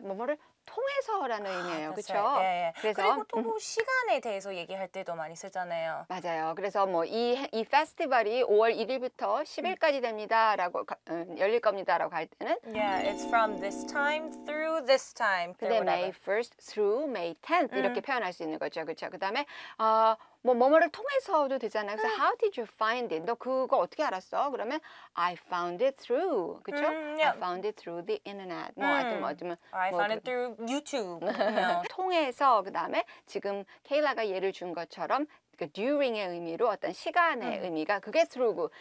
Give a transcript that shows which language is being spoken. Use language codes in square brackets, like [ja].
[ko] 뭐뭐를 통해서라는 의미예요. 그렇죠? [en] Right. Yeah, yeah. [ko] 그래서 그리고 또 뭐 시간에 대해서 얘기할 때도 많이 쓰잖아요. 맞아요. 그래서 뭐 이 페스티벌이 5월 1일부터 10일까지 됩니다라고 열릴 겁니다라고 할 때는 [en] Yeah, it's from this time through this time. [ko] 근데 [en] May 1st through May 10th [ko] 이렇게 표현할 수 있는 거죠. 그렇죠? 그다음에 뭐 뭐뭐를 통해서도 되잖아요. 그래서 [en] How did you find it? [ko] 너 그거 어떻게 알았어? 그러면 [en] I found it through. [ko] 그렇죠? [en] Yeah. I found it through the internet. [ko] 뭐 하여튼 [en] I found it through YouTube. No. [ko] 통해서 그다음에 지금 케일라가 예를 준 것처럼 그 during의 의미로 어떤 시간의 의미가 그게 through고.